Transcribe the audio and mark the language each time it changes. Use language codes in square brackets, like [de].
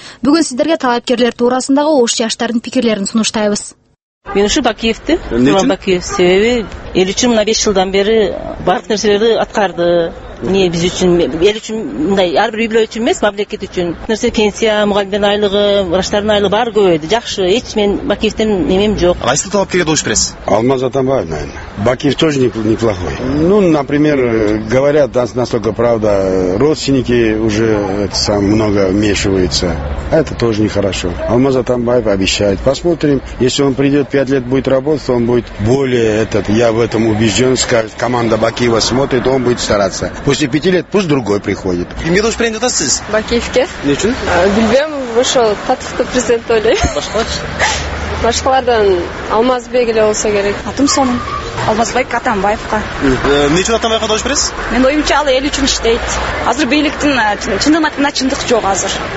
[ky] Бүгүн сиздерге талапкерлер туурасындагы ош жаштардын пикирлерин сунуштайбыз. Мен ушу Бакиевди, Курман Бакиев, себеби эл үчүн мына 5 жылдан бери баардык нерселерди аткарды. Эмне биз үчүн, эл үчүн мындай ар бир үй бүлө үчүн эмес, мамлекет үчүн. Нерсе пенсия, мугалимдин айлыгы, врачтардын айлыгы баары көбөйдү. Жакшы, эч мен Бакиевтен эмем жок. Кайсыл талапкерге добуш бересиз? [ru] Алмаз Атамбаев, наверное. Бакиев тоже неплохой. Ну, например, говорят, насколько правда, родственники уже много вмешиваются. Это тоже нехорошо. Алмаз Атамбаев обещает. Посмотрим. Если он придет 5 лет будет работать, то он будет более этот, я в этом убежден, скажет, команда Бакиева смотрит, он будет стараться. После 5 лет пусть другой приходит. [ky] Кимге добуш берип жатасыз? Бакиевке. Эмне үчүн? Билбейм, ошол татыктуу президент ойлойм. Башкалар? Башкалардан Алмазбек эле болсо керек. Атым сонун. Алмазбек Атамбаевка. Эмне үчүн Атамбаевка добуш бересиз? Менин оюмча ал эл үчүн иштейт. Азыр бийликтин чындык атында чындык жок азыр.